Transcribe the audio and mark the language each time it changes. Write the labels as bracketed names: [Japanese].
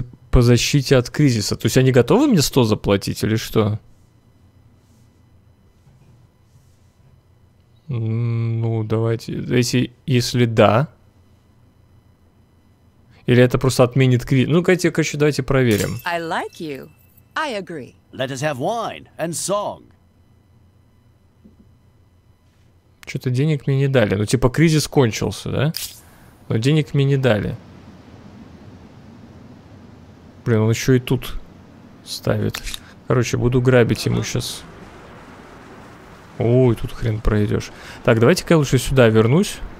[Russian] по защите от кризиса. То есть они готовы мне 100 заплатить или что? Ну, давайте. Если да. Или это просто отменит кризис? Ну, короче, давайте проверим. [English] I like you. I agree. Let us have wine and song. [Russian] Что-то денег мне не дали. Ну, типа, кризис кончился, да? Но денег мне не дали. Блин, он еще и тут ставит. Короче, буду грабить ему сейчас. Ой, тут хрен пройдешь. Так, давайте-ка я лучше сюда вернусь.